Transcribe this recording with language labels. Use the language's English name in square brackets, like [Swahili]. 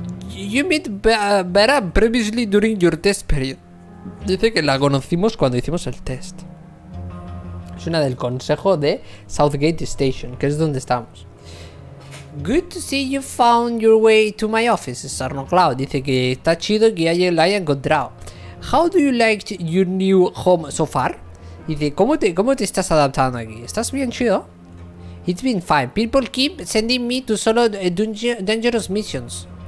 [English] You meet Vera previously during your test period. [Spanish] Dice que la conocimos cuando hicimos el test. Es una del consejo de Southgate Station, que es donde estamos. [English] Good to see you found your way to my office, Sarno Cloud. [Spanish] Dice que está chido que ayer la haya encontrado. [English] How do you like your new home so far? Dice, ¿cómo te estás adaptando aquí? ¿Estás bien chido? It's been fine. People keep sending me to solo dangerous missions.